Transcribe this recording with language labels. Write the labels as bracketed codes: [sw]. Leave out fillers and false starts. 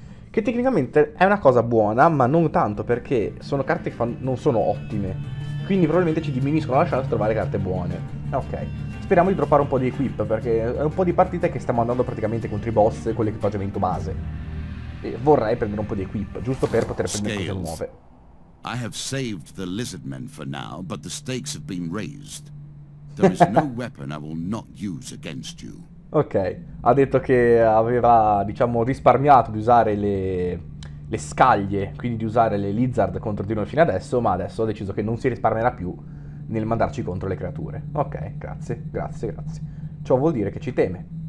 [it] Che tecnicamente è una cosa buona, ma non tanto perché sono carte che non sono ottime. Quindi probabilmente ci diminuiscono la chance di trovare carte buone. Ok. Speriamo di droppare un po' di equip, perché è un po' di partite che stiamo andando praticamente contro i boss con l'equipaggiamento base. E vorrei prendere un po' di equip, giusto per poter prendere cose [en] Scales, [it] nuove. [en] I have saved the lizard men for now, but the stakes have been raised. There is no weapon I will not use against you. [it] Ok, ha detto che aveva, diciamo, risparmiato di usare le scaglie, quindi di usare le lizard contro di noi fino adesso, ma adesso ha deciso che non si risparmierà più nel mandarci contro le creature. Ok, grazie, grazie, grazie. Ciò vuol dire che ci teme.